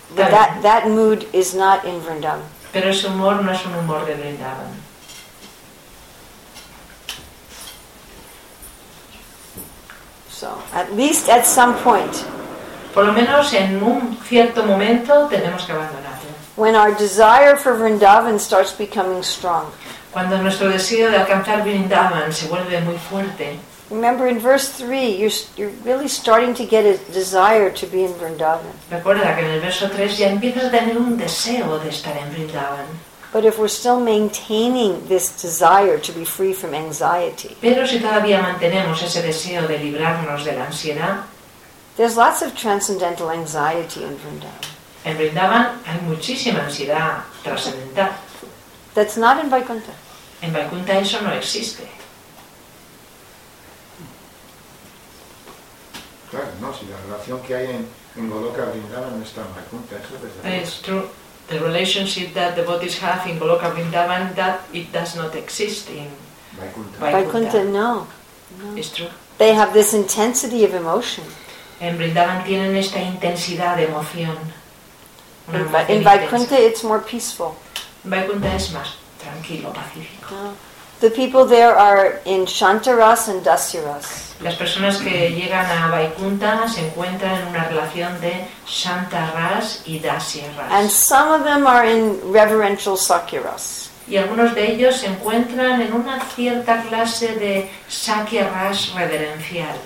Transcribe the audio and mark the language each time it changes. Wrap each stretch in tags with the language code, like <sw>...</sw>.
<en>But that mood is not in Vrindavan.</en> <es>Pero ese humor no es un humor de Vrindavan.</es> <en>So, at least at some point.</en> <es>Por lo menos en un cierto momento tenemos que abandonarlo.</es> <en>When our desire for Vrindavan starts becoming strong.</en> <es>Cuando nuestro deseo de alcanzar Vrindavan se vuelve muy fuerte.</es> <en>Remember in verse 3 you're really starting to get a desire to be in Vrindavan.</en> <es>Recuerda que en el verso 3 ya empiezas a tener un deseo de estar en Vrindavan.</es> <en>But if we're still maintaining this desire to be free from anxiety,</en> <es>pero si todavía mantenemos ese deseo de librarnos de la ansiedad,</es> <en>there's lots of transcendental anxiety in Vrindavan.</en> <es>En Vrindavan hay muchísima ansiedad trascendental.</es> <en>That's not in Vaikuntha.</en> <es>En Vaikuntha eso no existe. Claro, no, si la relación que hay en Goloka Vrindavan no está en Vaikuntha, eso es verdad.</es> <en>It's true. The relationship that devotees have in Goloka Vrindavan, that it does not exist in Vaikuntha.</en> <es>Vaikuntha, no.</es> <en>It's true. They have this intensity of emotion.</en> <es>En Vrindavan tienen esta intensidad de emoción.</es> <en>In Vaikuntha it's more peaceful.</en> <es>Vaikuntha es más tranquilo, pacífico.</es> <en>The people there are in Shantaras and Dasyaras.</en> <es>Las personas que llegan a Vaikuntha se encuentran en una relación de Shantaras y Dasyaras.</es> <en>And some of them are in reverential Sakyaras.</en> <es>Y algunos de ellos se encuentran en una cierta clase de Sakyaras reverencial.</es>